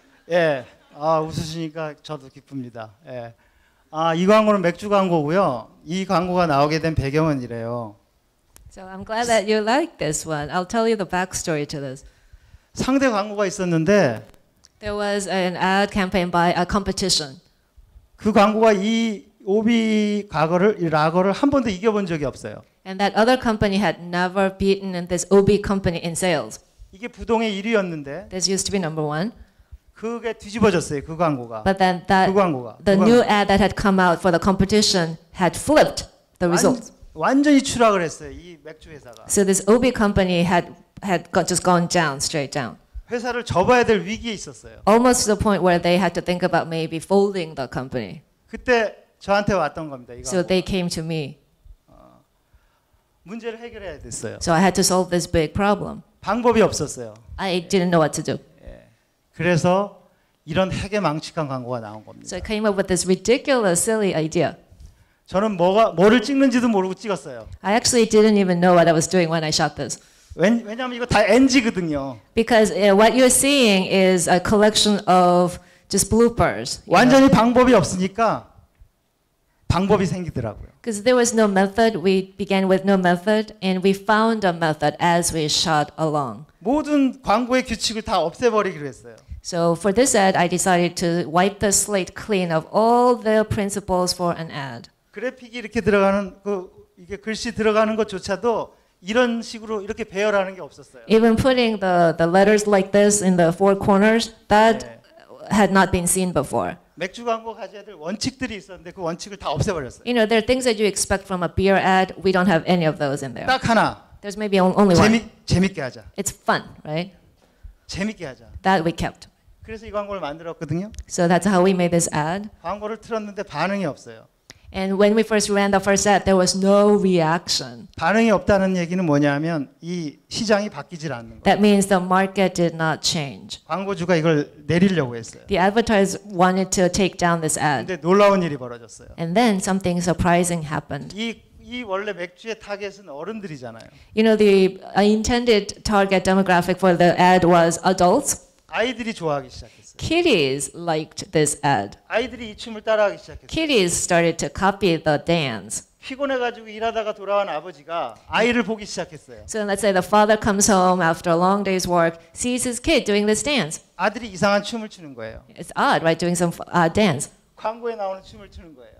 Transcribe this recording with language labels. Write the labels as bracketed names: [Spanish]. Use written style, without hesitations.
[Korean] 예, 아, 웃으시니까 저도 기쁩니다. 예. 아, 이 광고는 맥주 광고고요. 이 광고가 나오게 된 배경은 이래요. [English] So I'm glad that you like this one. I'll tell you the backstory to this. [Korean] 상대 광고가 있었는데 [English] There was an ad campaign by a competition. [Korean] 그 광고가 이 오비 과거를 이 라거를 한 번도 이겨본 적이 없어요. [English] And that other company had never beaten this OB company in sales. [Korean] 이게 부동의 1위였는데 [English] This used to be number one. [Korean] 그게 뒤집어졌어요. 그 광고가. [English] But then that [Korean] 그 광고가, [English] the [Korean] 그 [English] new ad that had come out for the competition had flipped the results. [Korean] 완전히 추락을 했어요. 이 맥주 회사가. [English] So this OB company had got just gone down, straight down. [Korean] 회사를 접어야 될 위기에 있었어요. [English] Almost to the point where they had to think about maybe folding the company. [Korean] 그때 저한테 왔던 겁니다. 이거. [English] So they came to me. [Korean] 문제를 해결해야 됐어요. [English] So I had to solve this big problem. [Korean] 방법이 없었어요. [English] I didn't know what to do. [Korean] 그래서 이런 해괴망측한 광고가 나온 겁니다. [English] So I came up with this ridiculous, silly idea. [Korean] 저는 뭐를 찍는지도 모르고 찍었어요. [English] I actually didn't even know what I was doing when I shot this. [Korean] 왜냐하면 이거 다 NG거든요. [English] Because what you're seeing is a collection of just bloopers. [Korean] 완전히 [English] know? [Korean] 방법이 없으니까 방법이 생기더라고요. [English] Because there was no method, we began with no method, and we found a method as we shot along. [Korean] 모든 광고의 규칙을 다 없애버리기로 했어요. [English] So for this ad, I decided to wipe the slate clean of all the principles for an ad. [Korean] 그래픽이 이렇게 들어가는 그 이게 글씨 들어가는 것조차도 이런 식으로 이렇게 배열하는 게 없었어요. [English] Even putting the letters like this in the four corners, that [Korean] 네. [English] had not been seen before. [Korean] 맥주 광고 가져야 될 원칙들이 있었는데 그 원칙을 다 없애버렸어요. [English] You know, there are things that you expect from a beer ad. We don't have any of those in there. [Korean] 딱 하나. [English] There's maybe only one. [Korean] 재밌게 하자. [English] It's fun, right? [Korean] 재밌게 하자. [English] That we kept. [Korean] 그래서 이 광고를 만들었거든요. [English] So that's how we made this ad. [Korean] 광고를 틀었는데 반응이 없어요. [English] And when we first ran the first ad, there was no reaction. [Korean] 반응이 없다는 얘기는 뭐냐면 이 시장이 바뀌질 않는 거예요. [English] That means the market did not change. [Korean] 광고주가 이걸 내리려고 했어요. [English] The advertiser wanted to take down this ad. [Korean] 근데 놀라운 일이 벌어졌어요. [English] And then something surprising happened. [Korean] 이 원래 맥주의 타겟은 어른들이잖아요. [English] You know, the intended target demographic for the ad was adults. [Korean] 아이들이 좋아하기 시작했어요. [English] Kitties liked this ad. [Korean] 아이들이 이 춤을 따라하기 시작했어요. [English] Kitties started to copy the dance. [Korean] 피곤해가지고 일하다가 돌아온 아버지가 아이를 보기 시작했어요. [English] So let's say the father comes home after a long day's work, sees his kid doing this dance. [Korean] 아들이 이상한 춤을 추는 거예요. It's odd, right? Doing some dance. 광고에 나오는 춤을 추는 거예요.